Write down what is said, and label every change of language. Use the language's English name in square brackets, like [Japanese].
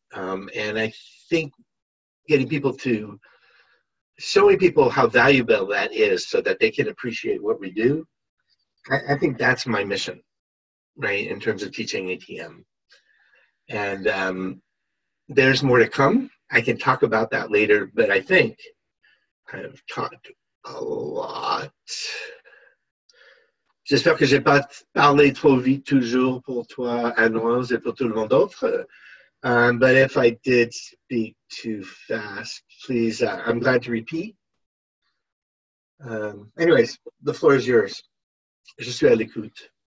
[English] And I think showing people how valuable that is so that they can appreciate what we do, I think that's my mission, right, in terms of teaching ATM. And there's more to come. I can talk about that later, but I think I've talked a lot. [French] J'espère que j'ai pas parlé trop vite toujours pour toi, Anne-Rose, et pour tout le monde d'autre. [English] But if I did speak too fast, please, I'm glad to repeat. Anyways, the floor is yours. Je suis à l'écoute.